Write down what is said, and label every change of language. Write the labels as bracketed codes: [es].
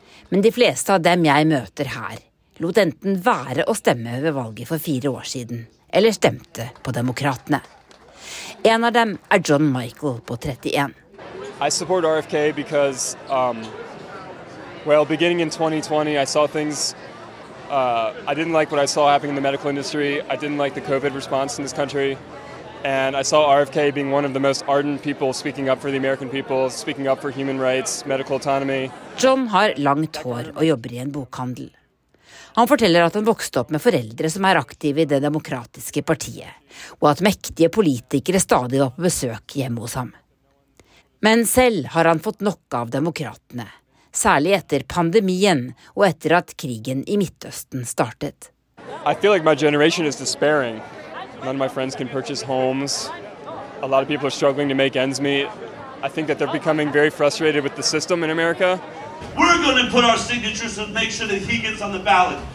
[no] Men de fleste av dem jeg møter her lot enten være å stemme ved valget for 4 år siden, eller stemte på demokratene. En av dem John Michael på 31. [en] I support RFK because, well, beginning in 2020, I saw things, I didn't like what I saw happening in the medical industry, I didn't like the COVID response in this country. And I saw RFK being one of the most ardent people speaking up for the American people, speaking up for human rights, medical autonomy. [no] John har langt hår og jobber i en bokhandel. Han forteller at han vokste opp med foreldre som aktive i det demokratiske partiet, og at mektige politikere stadig var på besøk hjemme hos ham. Men selv har han fått nok av demokratene, særlig etter pandemien og etter at krigen i Midtøsten startet. [en] I feel like my generation is despairing. None of my friends can purchase homes. A lot of people are struggling to make ends meet. I think that they're becoming very frustrated with the system in America. We're going to put our signatures and make sure that he gets on the ballot.